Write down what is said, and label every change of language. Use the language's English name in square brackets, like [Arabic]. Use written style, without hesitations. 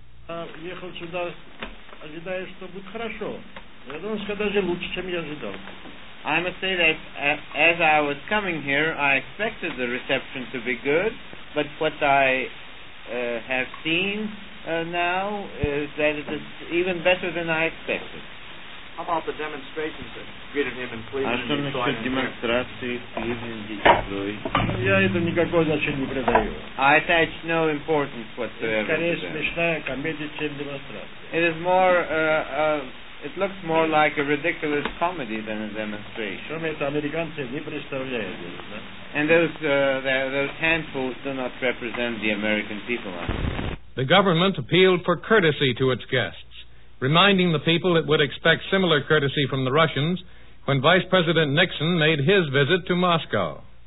[English] I must say that as I was coming here, I expected the reception to be good, but what I have seen now is that it is even better than I expected. How about the demonstrations that greeted him in Cleveland? [Russian] А что насчет демонстрации в Кливленде? Я это никакого значения не придаю. [English] I attach no importance whatsoever. [Russian] Скорее смешная комедия, чем демонстрация. [English] It is more, it looks more like a ridiculous comedy than a demonstration. [Russian] Кроме этого, американцы не представляют здесь, да? [English] And those handfuls do not represent the American people. The government appealed for courtesy to its guests, reminding the people it would expect similar courtesy from the Russians when Vice President Nixon made his visit to Moscow.